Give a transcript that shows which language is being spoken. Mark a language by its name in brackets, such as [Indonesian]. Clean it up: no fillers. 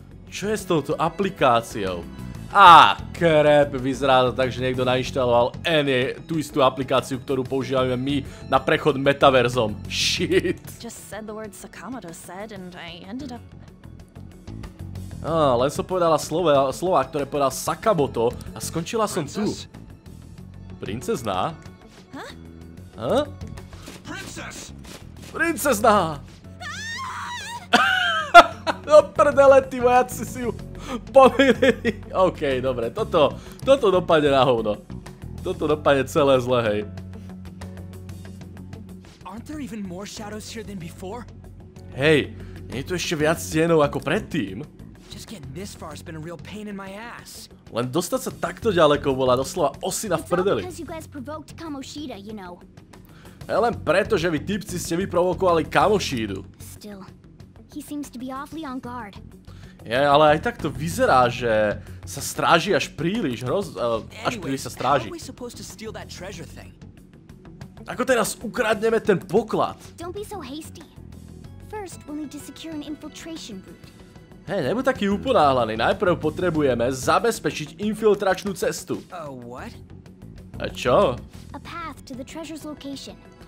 [Slovak] Čo je s touto aplikáciou? Ah, krep, vyzerá to tak, že niekto nainštaloval tú istú aplikáciu, ktorú používame my na prechod metaverzom. [English] Shit. Just said the word Sakamoto said and I ended up... [Slovak] Len som povedala slova, ktoré povedal Sakamoto a skončila som tu. Princezna? Huh? [English] Princess! [Slovak] Princezna! No prdele, ty vojaci si ju pomýlili. OK, dobre, toto dopadne na hovno. Toto dopadne celé zle, hej. [English] Aren't there even more shadows here than before? [Slovak] Hej, nie je tu ešte viac stienov ako predtým? [English] Just getting this far has been a real pain in my ass. [Slovak] Len dostať sa takto ďaleko bola doslova osina v prdeli. [English] Because you guys provoked Kamoshida, you know. [Slovak] Len preto, že vy tipci ste vyprovokovali Kamoshidu. [English] Still, he seems to be awfully on guard. [Slovak] Je, ale aj tak to vyzerá, že sa stráži až príliš, až príliš sa stráži. [English] How are we supposed to steal that treasure thing? [Slovak] Ako teraz ukradneme ten poklad? [English] Don't be so hasty. First, we'll need to secure an infiltration route. [Slovak] Hej, nebuď taký uponáhlaný. Najprv potrebujeme zabezpečiť infiltračnú cestu. [English] What? [Slovak] A čo? [English] A path to the treasure's location.